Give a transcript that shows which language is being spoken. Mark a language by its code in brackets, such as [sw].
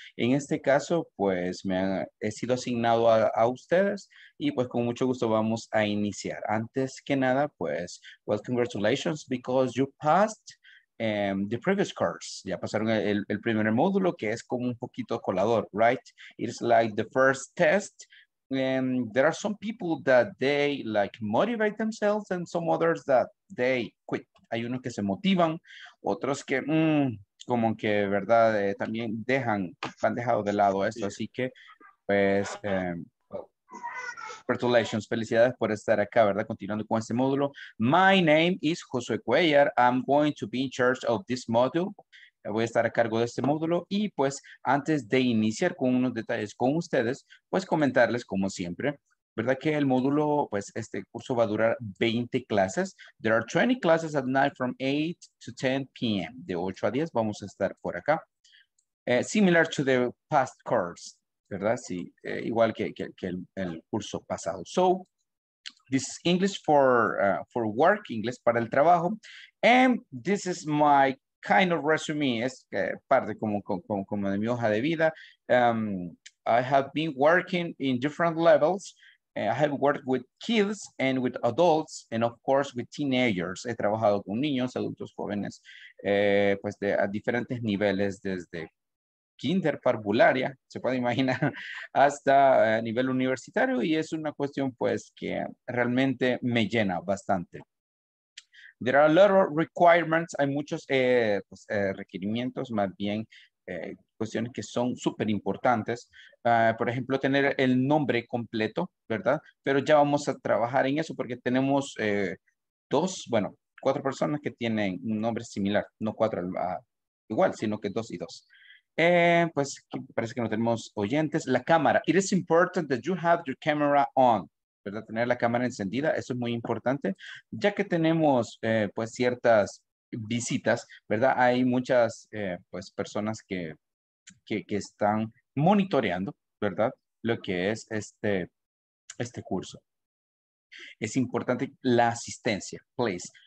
[es] En este caso, pues he sido asignado a ustedes y pues con mucho gusto vamos a iniciar. Antes que nada, pues, [en] well, congratulations because you passed the previous course. [es] Ya pasaron el primer módulo, que es como un poquito colador, right? [en] It's like the first test. And there are some people that they like motivate themselves and some others that they quit. [es] Hay unos que se motivan, otros que como que, ¿verdad? También dejan, han dejado de lado esto, así que, pues, congratulations, felicidades por estar acá, ¿verdad? Continuando con este módulo. [en] My name is [es] Josué Cuellar. [en] I'm going to be in charge of this module. [es] Voy a estar a cargo de este módulo y pues antes de iniciar con unos detalles con ustedes, pues comentarles como siempre, ¿verdad? Que el módulo, pues este curso va a durar 20 clases. [en] There are 20 classes at night from 8 to 10 p.m. [es] De 8 a 10 vamos a estar por acá. [en] Similar to the past course, [es] ¿verdad? Sí, igual que el curso pasado. [en] So, this is English for work, [es] inglés para el trabajo. [en] And this is my kind of resume, [es] es parte como de mi hoja de vida. [en] I have been working in different levels. I have worked with kids and with adults and of course with teenagers. [es] He trabajado con niños, adultos jóvenes, pues de a diferentes niveles desde kinder parvularia, se puede imaginar, hasta a nivel universitario y es una cuestión pues que realmente me llena bastante. [en] There are a lot of requirements, [es] hay muchos pues, requerimientos, más bien cuestiones que son súper importantes. Por ejemplo, tener el nombre completo, ¿verdad? Pero ya vamos a trabajar en eso porque tenemos cuatro personas que tienen un nombre similar, no cuatro igual, sino que dos y dos. Pues parece que no tenemos oyentes. La cámara, [en] it is important that you have your camera on. [es] ¿Verdad? Tener la cámara encendida, eso es muy importante, ya que tenemos pues ciertas visitas, ¿verdad? Hay muchas pues personas que están monitoreando, ¿verdad? Lo que es este curso. Es importante la asistencia, please.